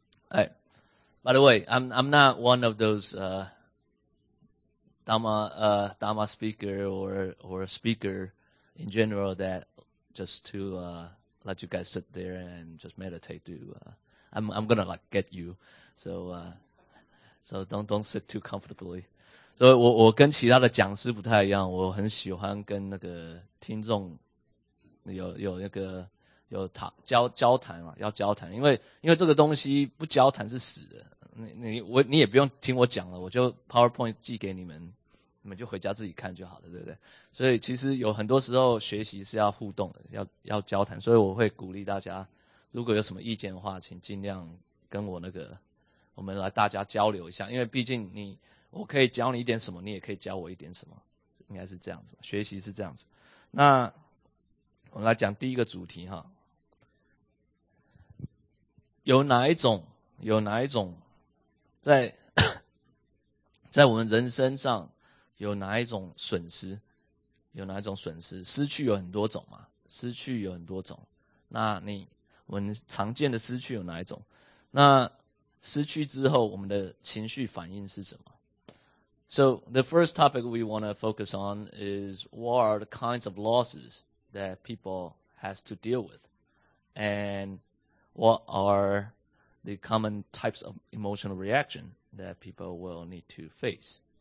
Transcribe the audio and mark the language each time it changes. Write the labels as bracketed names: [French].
[English] 哎，By the way, I'm not one of those Dhamma speaker or a speaker in general that just to let you guys sit there and just meditate. I'm gonna like get you, so don't sit too comfortably. [Chinese] 所以我跟其他的讲师不太一样，我很喜欢跟那个听众有那个。有交谈嘛，要交谈，因为这个东西不交谈是死的，你也不用听我讲了，我就 PowerPoint 寄给你们，你们就回家自己看就好了，对不对？所以其实有很多时候学习是要互动的，要交谈，所以我会鼓励大家，如果有什么意见的话，请尽量跟我那个，我们来大家交流一下，因为毕竟你，我可以教你一点什么，你也可以教我一点什么，应该是这样子，学习是这样子。那我们来讲第一个主题哈，有哪一种在我们人生上有哪一种损失？有哪一种损失？失去有很多种嘛，失去有很多种。那你我们常见的失去有哪一种？那失去之后我们的情绪反应是什么？ [English] So the first topic we want to focus on is what are the kinds of losses that people has to deal with, and what are the common types of emotional reaction that people will need to face.